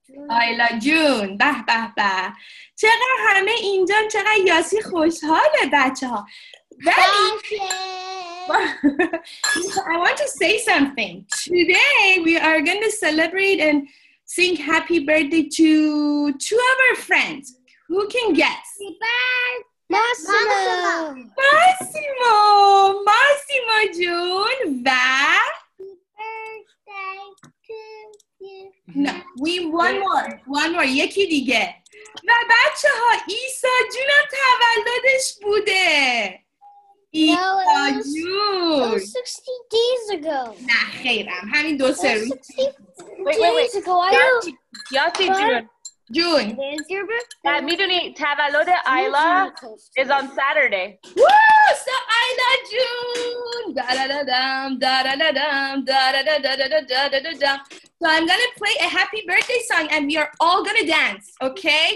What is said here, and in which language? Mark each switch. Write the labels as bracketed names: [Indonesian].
[Persian] آیلا جون. به به به چقدر همه اینجا چقدر یاسی خوشحاله بچه ها. [English] I want to say something. Today we are going to celebrate and sing happy birthday to two of our friends. Who can guess? Massimo. Massimo. Massimo Jun. Happy birthday to you. No, we one more. One more. [Persian] Yeki dige. و بچه ها ایسا جون هم تولدش بوده. ایسا جون [English] 60 days ago. [Persian] نه خیرم همین دو سه روز. [English] 60 days ago. یاسی جون [Persian] جون میدونی تولد آیلا [English] is on Saturday. So آیلا جون دا دا دا دام دا دا دا دام دا دا دا دا دا دا دا دا دا دا. So I'm going to play a happy birthday song and we are all going to dance, okay?